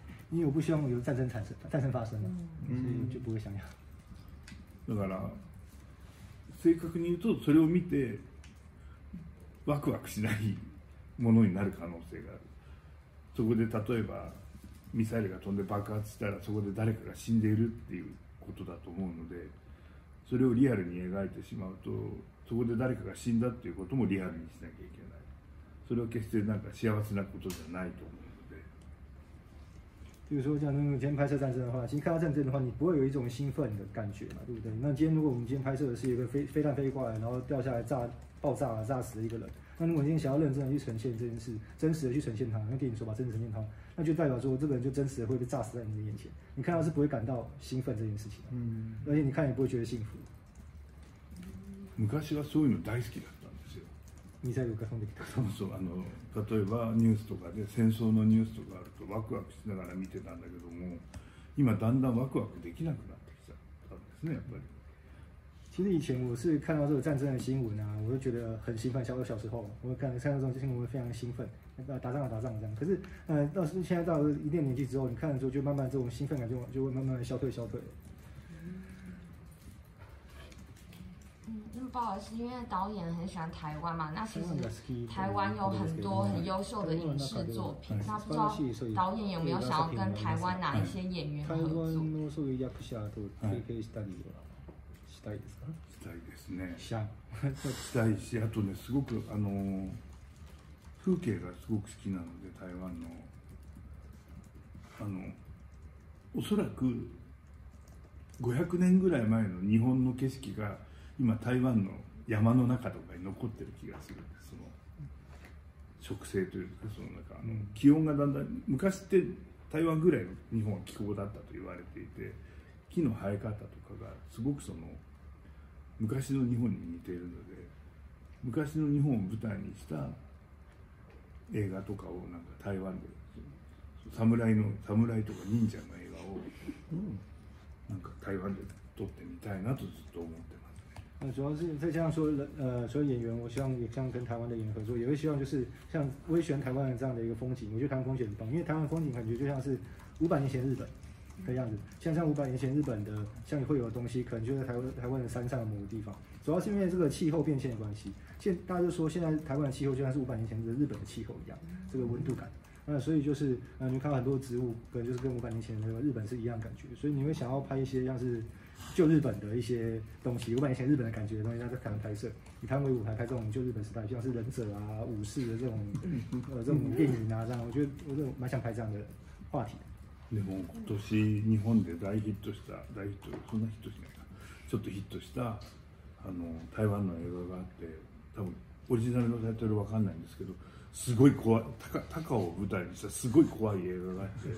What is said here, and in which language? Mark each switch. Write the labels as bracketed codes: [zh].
[zh] 因为我不希望有战争产生，战争发生了，所以就不会想要。 [ja] だから、正確に言うとそれを見てワクワクしないものになる可能性がある。そこで例えばミサイルが飛んで爆発したらそこで誰かが死んでいるっていうことだと思うので、それをリアルに描いてしまうと、そこで誰かが死んだっていうこともリアルにしなきゃいけない。それは決してなんか幸せなことじゃないと思うので。 [zh] 比如说像那个今天拍摄战争的话，其实看到战争的话，你不会有一种兴奋的感觉嘛，对不对？那今天如果我们今天拍摄的是一个飞弹飞过来，然后掉下来炸爆炸了，炸死了一个人。那如果今天想要认真的去呈现这件事，真实的去呈现它，那电影说把真实呈现它，那就代表说这个人就真实的会被炸死在你的眼前。你看到是不会感到兴奋这件事情，而且你看也不会觉得幸福。 [ja] 昔はそういうの大好きだったんですよ。ミサイルが飛んできた。そうそう、あの例えばニュースとかで戦争のニュースとかあるとワクワクしながら見てたんだけども、今だんだんワクワクできなくなってきちゃったんですね、やっぱり。 [zh] 其实以前我是看到这个战争的新闻啊，我就觉得很兴奋。小时候，我看到这种新闻会非常兴奋，打仗这样。可是，到现在到了一定年纪之后，你看的时候就慢慢这种兴奋感就会慢慢消退了。嗯，那么不好意思，因为导演很喜欢台湾嘛，那其实台湾有很多很优秀的影视作品，那不知道导演有没有想要跟台湾哪一些演员合作？ [ja] 台湾のそういう役者と提携したり。したいですね。したいし、あとね、すごく風景がすごく好きなので、台湾のおそらく500年ぐらい前の日本の景色が今台湾の山の中とかに残ってる気がするんです。その植生というか、その中気温がだんだん、昔って台湾ぐらいの日本は気候だったと言われていて、木の生え方とかがすごくその昔の日本に似ているので、昔の日本を舞台にした映画とかをなんか台湾で侍とか忍者の映画をなんか台湾で撮ってみたいなとずっと思ってますね。 [zh] 主要是再加上说，所以演员，我希望也像跟台湾的演员合作，也会希望就是像我也喜欢台湾的这样的一个风景。我觉得台湾风景很棒，因为台湾风景感觉就像是500年前日本。的样子，像500年前日本的，像会有的东西，可能就在台湾的山上的某个地方。主要是因为这个气候变迁的关系，大家就说现在台湾的气候就像是500年前的日本的气候一样，这个温度感。所以就是你看到很多植物，可能就是跟500年前的日本是一样感觉，所以你会想要拍一些像是旧日本的一些东西，500年前日本的感觉的东西，那在台湾拍摄，以台湾为舞台拍这种旧日本时代，像是忍者啊、武士的这种电影啊，这样，我觉得我就蛮想拍这样的话题。 [ja] でも今年日本で大ヒットした、台湾の映画があって、多分オリジナルのタイトルわかんないんですけど、すごい怖い、高を舞台にしたすごい怖い映画があって。